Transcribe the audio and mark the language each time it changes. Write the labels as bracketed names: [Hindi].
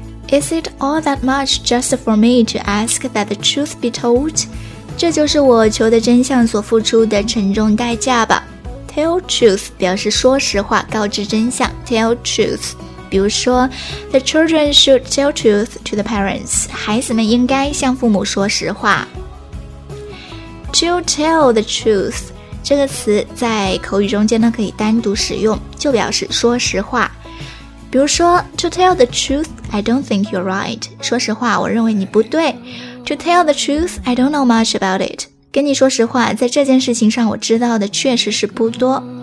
[English] Is it all that much just for me to ask that the truth be told? [Chinese] 这就是我求的真相所付出的沉重代价吧。 Tell truth 表示说实话，告知真相。 Tell truth 比如说 [English] The children should tell truth to the parents. [Chinese] 孩子们应该向父母说实话。 To tell the truth 这个词在口语中间呢可以单独使用，就表示说实话。比如说 [English] To tell the truth, I don't think you're right. [Chinese] 说实话，我认为你不对。 [English] To tell the truth, I don't know much about it. [Chinese] 跟你说实话，在这件事情上我知道的确实是不多。